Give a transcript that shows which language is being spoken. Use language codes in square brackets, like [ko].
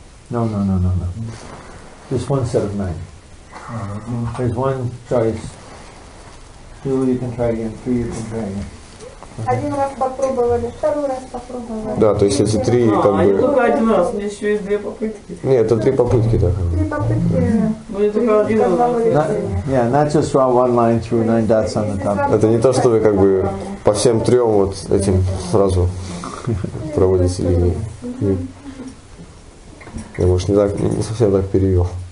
[en] No. Just one set of nine. There's one choice. Two, you can try again. Three, you can try again. [ru] Один раз попробовали, второй раз попробовали. Да, то есть эти три, как бы... А, только один раз, у меня еще есть две попытки. Нет, это три попытки, да. Три попытки. Ну, это только один раз. [en] Yeah, not just one line through nine dots on the top. [ru] Это не то, что вы, как бы, по всем трем вот этим сразу проводите линии. Я, может, не совсем так перевел.